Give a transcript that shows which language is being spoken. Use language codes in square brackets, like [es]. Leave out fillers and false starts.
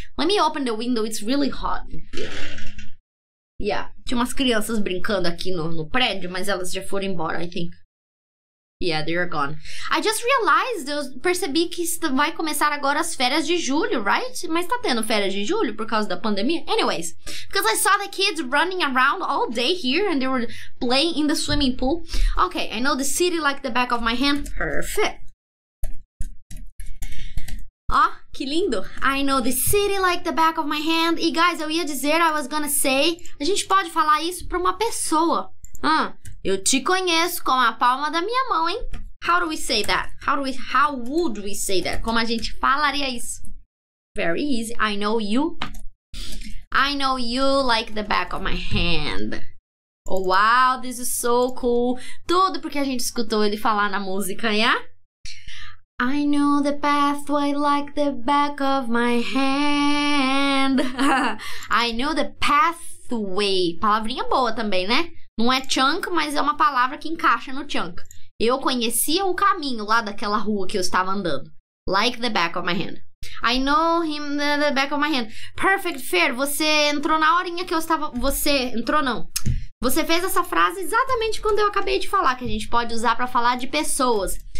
[en] Let me open the window. It's really hot. Yeah. [pt] Tinha umas crianças brincando aqui no prédio, mas elas já foram embora, [en] I think. Yeah, they're gone. I just realized, [pt] eu percebi que vai começar agora as férias de julho, right? Mas tá tendo férias de julho por causa da pandemia? [en] Anyways, because I saw the kids running around all day here and they were playing in the swimming pool. Okay, I know the city like the back of my hand. Perfect. [pt] Oh, que lindo. [en] I know the city like the back of my hand. [pt] E guys, eu ia dizer, [en] I was gonna say, [pt] a gente pode falar isso pra uma pessoa. Eu te conheço com a palma da minha mão, hein? [en] How do we say that? How would we say that? [pt] Como a gente falaria isso? [en] Very easy. I know you. I know you like the back of my hand. Oh, wow, this is so cool. [pt] Tudo porque a gente escutou ele falar na música, yeah? [en] I know the pathway like the back of my hand. I know the pathway. [pt] Palavrinha boa também, né? Não é chunk, mas é uma palavra que encaixa no chunk. Eu conhecia o caminho lá daquela rua que eu estava andando. [en] Like the back of my hand. I know him the back of my hand. [pt] Perfect, Fer. Você entrou na horinha que eu estava... Você entrou, não. Você fez essa frase exatamente quando eu acabei de falar, que a gente pode usar pra falar de pessoas.